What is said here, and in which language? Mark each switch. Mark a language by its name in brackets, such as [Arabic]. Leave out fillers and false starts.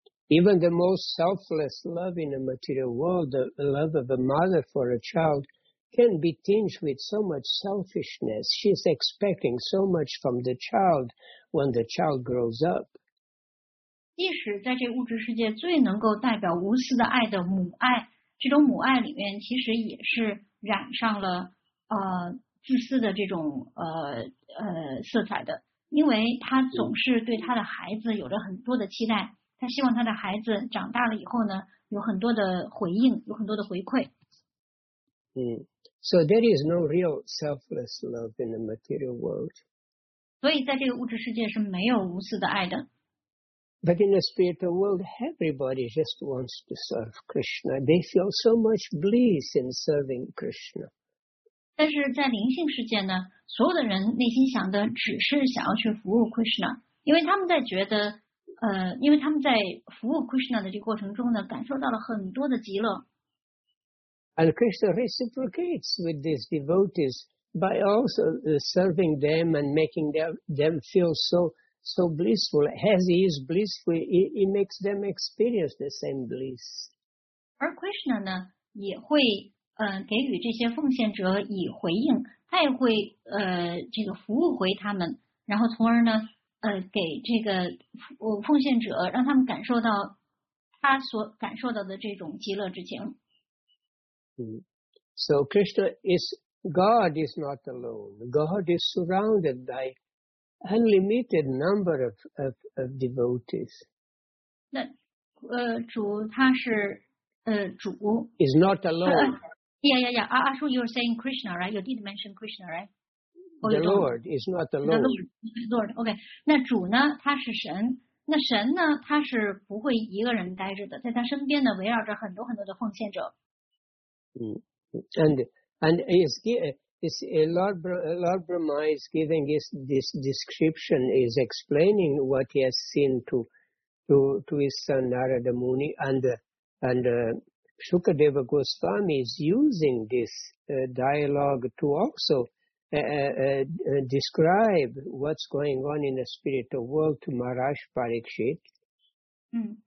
[English] Even the most selfless love in the material world, the love of a mother for a child, can be tinged with so much selfishness. She's expecting so much from the child when the child grows up. [Chinese] 即使在这物质世界最能够代表无私的爱的母爱。这种母爱里面其实也是染上了自私的这种色彩的，因为他总是对他的孩子有着很多的期待，他希望他的孩子长大了以后呢有很多的回应，有很多的回馈。 [English] So there is no real selfless love in the material world. [Chinese] 所以在这个物质世界是没有无私的爱的。 [English] But in the spiritual world, everybody just wants to serve Krishna. They feel so much bliss in serving Krishna. [Chinese] 但是在灵性世界呢，所有的人内心想的只是想要去服务 Krishna， 因为他们在觉得，因为他们在服务 Krishna 的这个过程中呢，感受到了很多的极乐。 [English] And Krishna reciprocates with these devotees by also serving them and making them feel so blissful. As he is blissful, he makes them experience the same bliss. [Chinese] 而 Krishna 呢，也会给予这些奉献者以回应，他也会这个服务回他们，然后从而呢给这个奉献者让他们感受到他所感受到的这种极乐之情。 [English] So Krishna is God is not alone. God is surrounded by unlimited number of devotees. [Chinese] 那主他是主 [English] is not alone. Yeah. Ashu, you're saying Krishna, right? You did mention Krishna, right? The Lord is not alone. Lord, okay. [Chinese] 那主呢？他是神。那神呢？他是不会一个人待着的，在他身边呢，围绕着很多很多的奉献者。 [English] And Lord Brahma is giving this description, is explaining what he has seen to his son Narada Muni, and Shukadeva Goswami is using this dialogue to also describe what's going on in the spiritual world to Maharaj Parikshit.